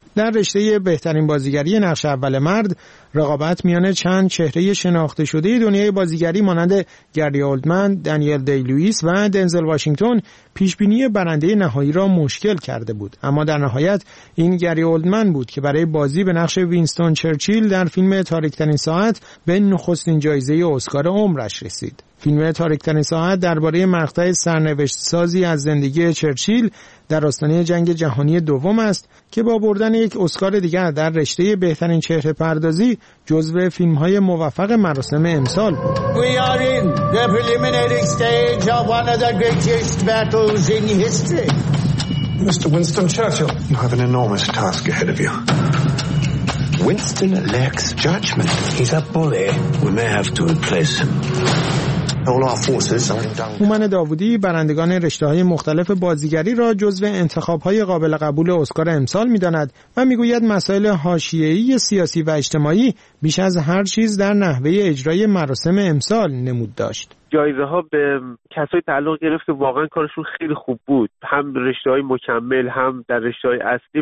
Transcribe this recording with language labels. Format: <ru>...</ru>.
<fa>در رشته بهترین بازیگری نقش اول مرد، رقابت میان چند چهره شناخته شده دنیای بازیگری مانند گری اولدمن، دنیل دی‌لوئیس و دنزل واشنگتن پیشبینی برنده نهایی را مشکل کرده بود، اما در نهایت این گری اولدمن بود که برای بازی به نقش وینستون چرچیل در فیلم تاریک‌ترین ساعت به نخستین جایزه اسکار عمرش رسید. فیلم تاریک‌ترین ساعت درباره مقطع سرنوشت سازی از زندگی چرچیل در آستانه جنگ جهانی دوم است که با بردن یک اسکار دیگر در رشته بهترین چهره پردازی جزو فیلم های موفق مراسم امسال بود.</fa> <en>We are in the preliminary stage of one of the greatest battles in history. Mr. Winston Churchill, you have an enormous task ahead of you. Winston lacks judgment. He's a bully. We may have to replace him.</en> <fa>هومن داوودی برندگان رشته‌های مختلف بازیگری را جزو انتخاب‌های قابل قبول اسکار امسال می‌داند و می‌گوید مسائل حاشیه‌ای سیاسی و اجتماعی بیش از هر چیز در نحوه اجرای مراسم امسال نمود داشت. جایزه ها به کسای تعلق گرفت که واقعا کارشون خیلی خوب بود، هم رشته های مکمل هم در رشته های اصلی.</fa>